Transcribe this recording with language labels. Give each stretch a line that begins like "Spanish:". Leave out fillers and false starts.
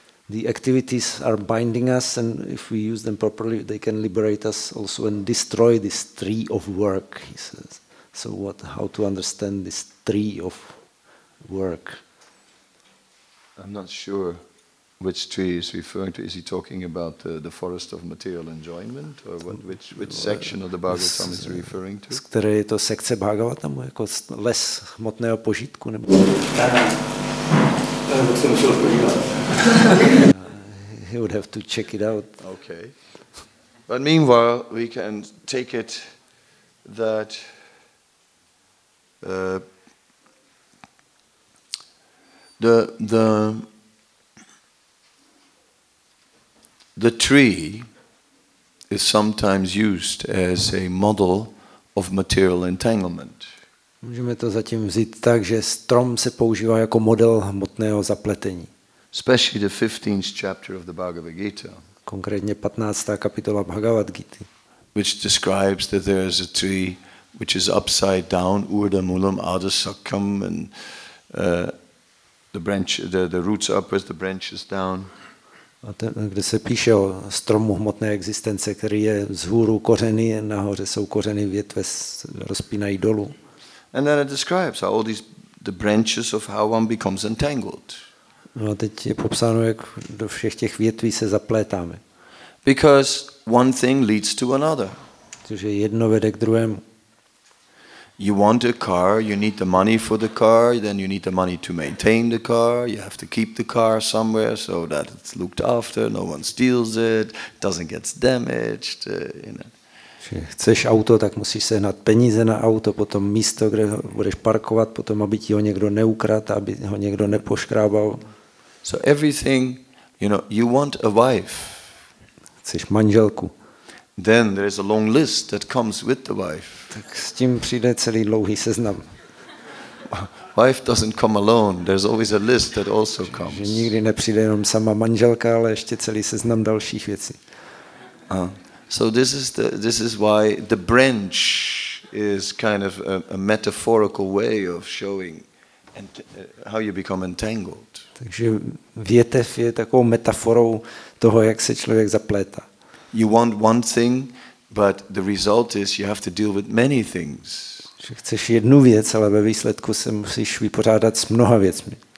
English: The activities are binding us, and if we use them properly, they can liberate us also and destroy this tree of work, he says. So what? How to understand this tree of work? I'm not sure which tree is referring to. Is he talking about the forest of material enjoyment, or what, which section of the Bhagavatam is referring to?
Czech: Z které je to sekce Bhagavatamu, jako les hmotného požitku? Nebo...
English: He would have to check it out. Okay. But meanwhile, we can take it that the tree is sometimes used as a model of material entanglement.
Czech: Můžeme to zatím vzít tak, že strom se používá jako model hmotného zapletení.
English: Especially the 15th chapter of the Bhagavad Gita.
Czech: Konkrétně 15. kapitola Bhagavad Gita.
English: Which describes that there is a tree which is upside down,
Sanskrit: urdha mulam adhasakam,
English: and the roots upwards, the branches down.
Czech: A ten, kde se píše o stromu hmotné existence, který je vzhůru kořeny, nahoře jsou kořeny, větve rozpínají dolů.
English: And then it describes how all the branches of how one becomes entangled.
Czech: No, teď je popsáno, jak do všech těch větví se zaplétáme.
English: Because one thing leads to another.
Czech: Protože jedno vede k druhému.
English: You want a car, you need the money for the car, then you need the money to maintain the car, you have to keep the car somewhere so that it's looked after, no one steals it, doesn't get damaged, you know.
Czech: Že chceš auto, tak musíš sehnat peníze na auto, potom místo, kde ho budeš parkovat, potom aby ti ho někdo neukradl, aby ho někdo nepoškrábal.
English: So everything, you know, you want a wife.
Czech: Chceš manželku.
English: Then there is a long list that comes with the wife.
Czech: Tak s tím přijde celý dlouhý seznam.
English: Wife doesn't come alone, there's always a list that also comes.
Czech: Že nikdy nepřijde jenom sama manželka, ale ještě celý seznam dalších věcí.
English: So this is why the branch is kind of a metaphorical way of showing how you become entangled.
Czech: Takže větev je takovou metaforou toho, jak se člověk zaplétá.
English: You want one thing, but the result is you have to deal with many things.
Czech: Že chceš jednu věc, ale ve výsledku se musíš vypořádat s mnoha věcmi.